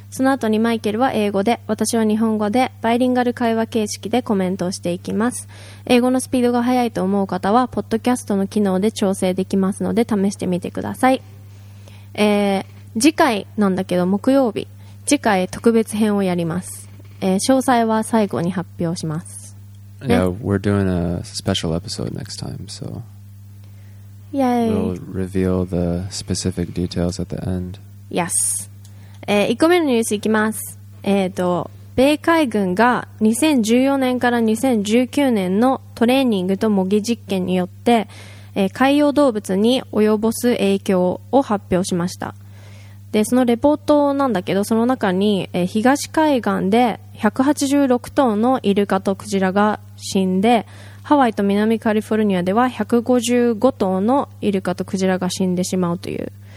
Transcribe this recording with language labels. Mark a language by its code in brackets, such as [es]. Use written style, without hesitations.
[ja] その後にマイケルは英語で、私は日本語で、バイリンガル会話形式でコメントをしていきます。英語のスピードが速いと思う方はポッドキャストの機能で調整できますので試してみてください。次回なんだけど、木曜日、次回特別編をやります。詳細は最後に発表します。 [en] Yeah, we're doing a special episode next time, so Yay. We'll reveal the specific details at the end. Yes. [ja] 1個目のニュースいきます。米海軍が2014年から2019年のトレーニングと模擬実験によって、海洋動物に及ぼす影響を発表しました。でそのレポートなんだけど、その中に、東海岸で186頭のイルカとクジラが死んで、ハワイと南カリフォルニアでは155頭のイルカとクジラが死んでしまうという、